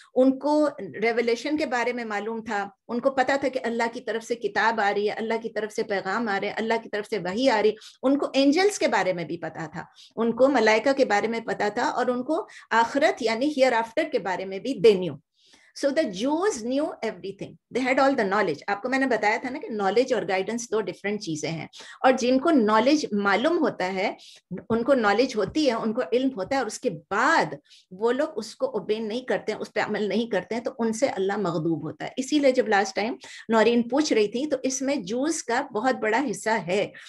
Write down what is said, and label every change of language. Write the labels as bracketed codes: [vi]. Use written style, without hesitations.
[hi] उनको रेवलेशन के बारे में मालूम था, उनको पता था कि अल्लाह की तरफ से किताब आ रही है, अल्लाह की तरफ से पैगाम आ रहे हैं, अल्लाह की तरफ से वही आ रही. उनको एंजल्स के बारे में भी पता था, उनको मलाइका के बारे में पता था, और उनको आखरत यानी हियर आफ्टर के बारे में भी देनियो. [en] So the Jews knew everything. They had all the knowledge. [hi] आपको मैंने बताया था ना कि knowledge और guidance दो different चीजें हैं. और जिनको knowledge मालूम होता है, उनको knowledge होती है, उनको इल्म होता है, और उसके बाद वो लोग उसको obey नहीं करते हैं, उस पर अमल नहीं करते हैं, तो उनसे अल्लाह मगदूब होता है. इसीलिए जब [en] last time [hi] नौरीन पूछ रही थी, तो इसमें Jews का बहुत बड़ा हिस्सा है.